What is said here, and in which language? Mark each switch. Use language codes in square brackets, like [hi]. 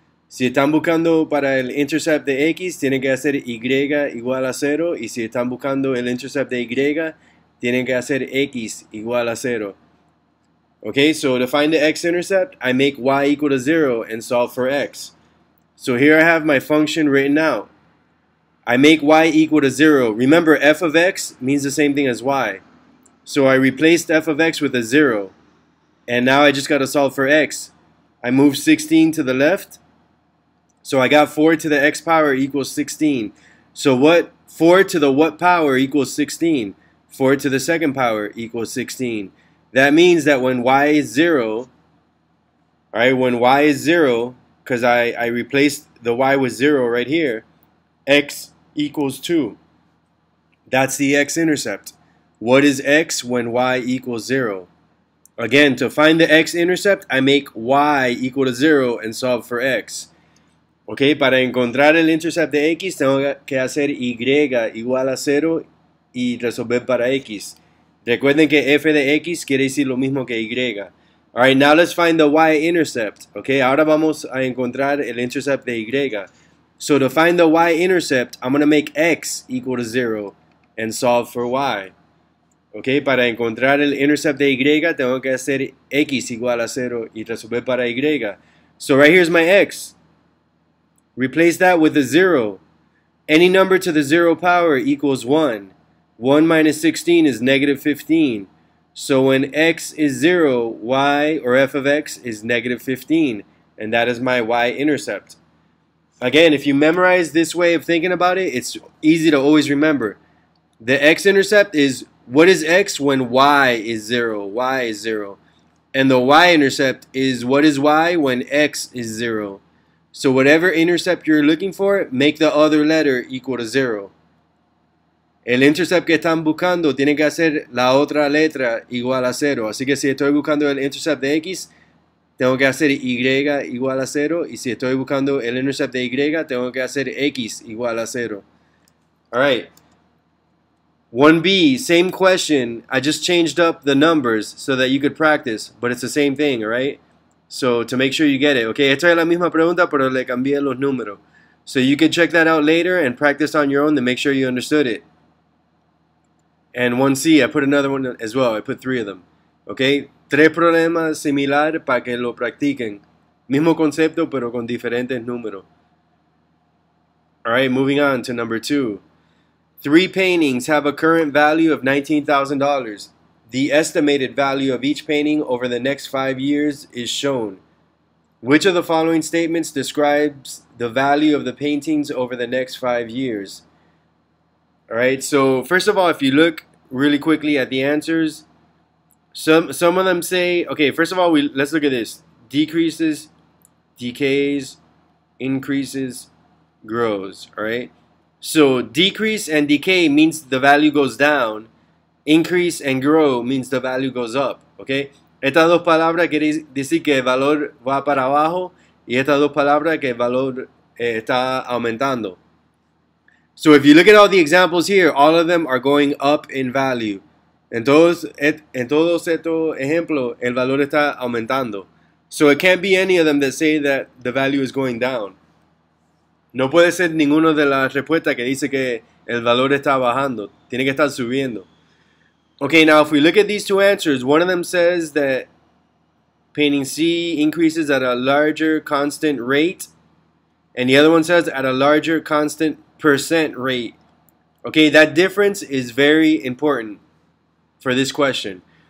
[es] Si están buscando para el intercept de X, tienen que hacer Y igual a 0. Y si están buscando el intercept de Y, tienen que hacer X igual a 0. [en] Okay, so to find the x-intercept, I make Y equal to 0 and solve for X. So here I have my function written out. I make Y equal to 0. Remember, F of X means the same thing as Y. So I replaced F of X with a 0. And now I just got to solve for x. I move 16 to the left. So I got 4 to the x power equals 16. So what? 4 to the what power equals 16? 4 to the second power equals 16. That means that when y is 0, all right, when y is 0, because I replaced the y with 0 right here, x equals 2. That's the x-intercept. What is x when y equals 0? Again, to find the x-intercept, I make y equal to 0 and solve for x. [es] Okay, para encontrar el intercept de x, tengo que hacer y igual a 0 y resolver para x. Recuerden que f de x quiere decir lo mismo que y. [en] All right, now let's find the y-intercept. [es] Okay, ahora vamos a encontrar el intercept de y. [en] So to find the y-intercept, I'm going to make x equal to 0 and solve for y. [es] Okay, para encontrar el intercept de Y, tengo que hacer X igual a 0 y resolver para Y. [en] So right here is my X. Replace that with a 0. Any number to the 0 power equals 1. 1 minus 16 is negative 15. So when X is 0, Y or F of X is negative 15. And that is my Y-intercept. Again, if you memorize this way of thinking about it, it's easy to always remember. The X-intercept is what is x when y is 0? Y is 0. And the y-intercept is what is y when x is 0. So whatever intercept you're looking for, make the other letter equal to 0. [es] El intercept que están buscando tiene que hacer la otra letra igual a 0. Así que si estoy buscando el intercept de x, tengo que hacer y igual a 0. Y si estoy buscando el intercept de y, tengo que hacer x igual a 0. [en] All right. 1B, same question. I just changed up the numbers so that you could practice, but it's the same thing, all right? So to make sure you get it, okay? [es] Esta es la misma pregunta, pero le cambié los números. [en] So you can check that out later and practice on your own to make sure you understood it. And 1C, I put another one as well. I put three of them, okay? [es] Tres problemas similares para que lo practiquen. Mismo concepto, pero con diferentes números. [en] All right, moving on to number two. Three paintings have a current value of $19,000. The estimated value of each painting over the next 5 years is shown. Which of the following statements describes the value of the paintings over the next 5 years? All right, so first of all, if you look really quickly at the answers, some of them say, okay, first of all, let's look at this. Decreases, decays, increases, grows, all right? So decrease and decay means the value goes down. Increase and grow means the value goes up, okay? [es] Estas dos palabras quiere decir que el valor va para abajo y estas dos palabras que el valor está aumentando. [en] So if you look at all the examples here, all of them are going up in value. [es] En todos estos ejemplos, el valor está aumentando. [en] So it can't be any of them that say that the value is going down. [es] No puede ser ninguno de las respuestas que dice que el valor está bajando. Tiene que estar subiendo. [en] Okay, now if we look at these two answers, one of them says that painting C increases at a larger constant rate. And the other one says at a larger constant percent rate. Okay, that difference is very important for this question.